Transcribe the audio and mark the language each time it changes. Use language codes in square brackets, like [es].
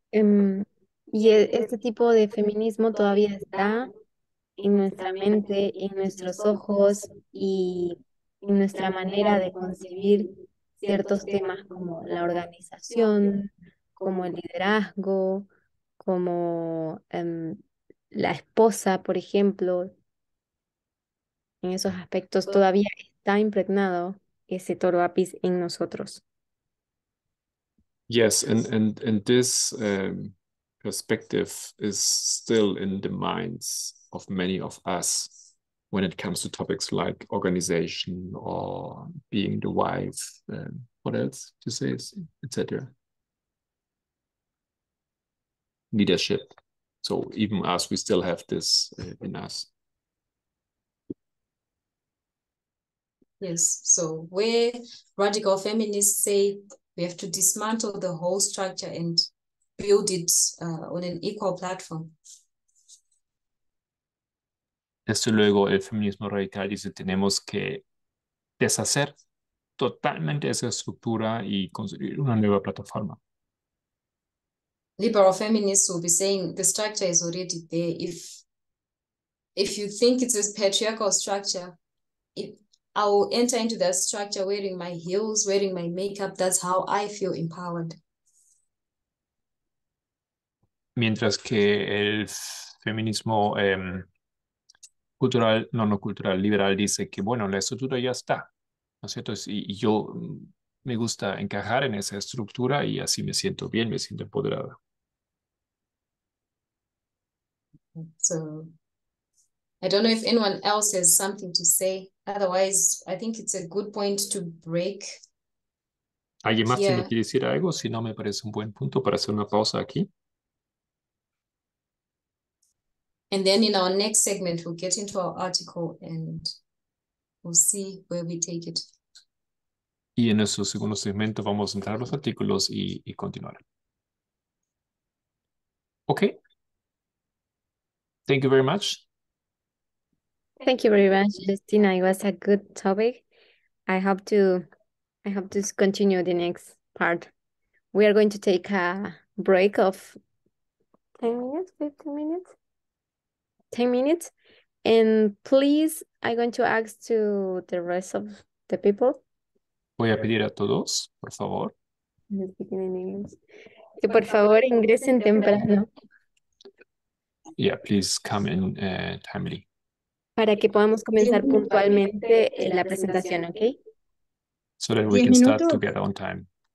[es] Y este tipo de feminismo todavía está en nuestra mente, en nuestros ojos y en nuestra manera de concebir ciertos temas como la organización, como el liderazgo, como la esposa, por ejemplo. En esos aspectos todavía está impregnado ese toro apis en nosotros. [en] Yes, and this perspective is still in the minds of many of us when it comes to topics like organization or being the wife, what else to say, etc. Leadership. So even us, we still have this in us. Yes, so where radical feminists say we have to dismantle the whole structure and build it on an equal platform. [es] Desde luego, el feminismo radical dice tenemos que deshacer totalmente esa estructura y construir una nueva plataforma. [en] Liberal feminists will be saying the structure is already there. If you think it's a patriarchal structure, I will enter into that structure wearing my heels, wearing my makeup. That's how I feel empowered. [es] Mientras que el feminismo cultural, no cultural, liberal, dice que, bueno, la estructura ya está, ¿no es cierto? Y yo me gusta encajar en esa estructura y así me siento bien, me siento empoderada. [en] So, I don't know if anyone else has something to say. Otherwise, I think it's a good point to break. [es] ¿Alguien más tiene que decir algo? Si no, me parece un buen punto para hacer una pausa aquí. [en] And then in our next segment, we'll get into our article and we'll see where we take it. [es] Y en nuestro segundo segmento vamos a entrar a los artículos y continuar. [en] Okay. Thank you very much. Thank you very much, Jestina. It was a good topic. I hope to continue the next part. We are going to take a break of 10 minutes, 15 minutes. 10 minutes. And please, I'm going to ask to the rest of the people. [es] Voy a pedir a todos, por favor. Que por favor ingresen temprano. [en] Yeah, please come in timely. [es] Para que podamos comenzar puntualmente la presentación, ¿ok? [en] So that we can start together on time.